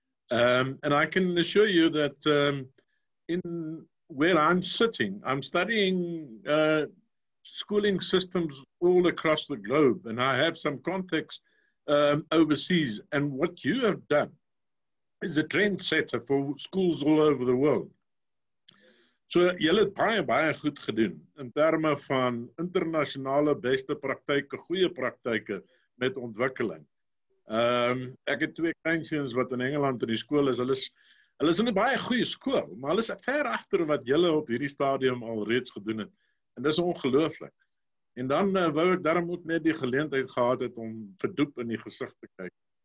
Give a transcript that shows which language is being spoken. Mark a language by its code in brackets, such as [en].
[en] And I can assure you that in where I'm sitting, I'm studying schooling systems all across the globe, and I have some context overseas, and what you have done is a trendsetter for schools all over the world. [af] So julle het baie baie goed gedoen in terme van internasionale beste praktyke, goeie praktyke met ontwikkeling. Ek het twee kleinseuns wat in Engeland in die skool is. Hulle is in 'n baie goeie skool, maar hulle is ver agter wat julle op hierdie stadium al reeds gedoen het. En dis ongelooflik. En dan wou ek daarom ook net die geleentheid gehad het om vir Dup in die gesig te kyk.